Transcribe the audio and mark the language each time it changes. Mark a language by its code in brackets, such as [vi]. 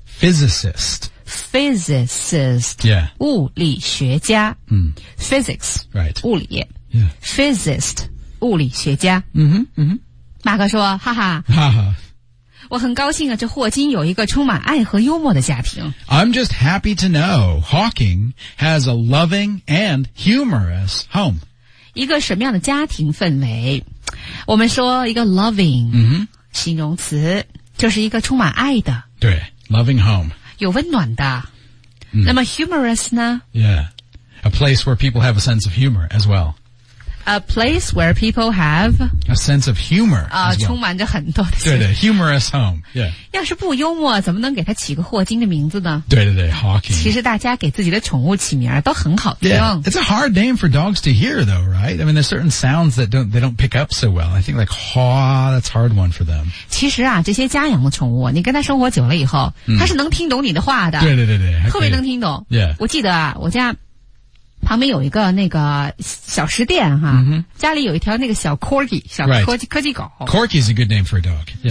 [en] physicist、yeah. [zh] 物理学家、 mm. [en] physics、 right. [zh] 物理、 [en] yeah. physicist 物理学家、 mm-hmm. [zh] 马克说哈哈哈哈我很高兴啊这霍金有一个充满爱和幽默的家庭 [en] I'm just happy to know Hawking has a loving and humorous home [zh] 一个什么样的家庭氛围我们说一个 loving、 mm-hmm. 形容词就是一个充满爱的对 loving home 有温暖的、 mm. 那么 humorous 呢 [en] yeah a place where people have a sense of humor as well a place where people have a sense of humor、 [zh] 充满着很多的 [en] 对对 humorous home、yeah. [zh] 要是不幽默怎么能给他起个霍金的名字呢对对对 Hawking 其实大家给自己的宠物起名都很好听、 [en] yeah. it's a hard name for dogs to hear though right I mean there's certain sounds that they don't pick up so well I think like haw that's a hard one for them [zh] 其实啊这些家养的宠物你跟他生活久了以后、 mm. 他是能听懂你的话的对对对对特别能听懂 [en] yeah [zh] 我记得啊我家旁边有一个那个小食店哈、 mm-hmm. 家里有一条那个小 Corgi, 小科技、 [en] right. [zh] 科技狗。 [en] Corgi is a good name for a dog.、Yeah.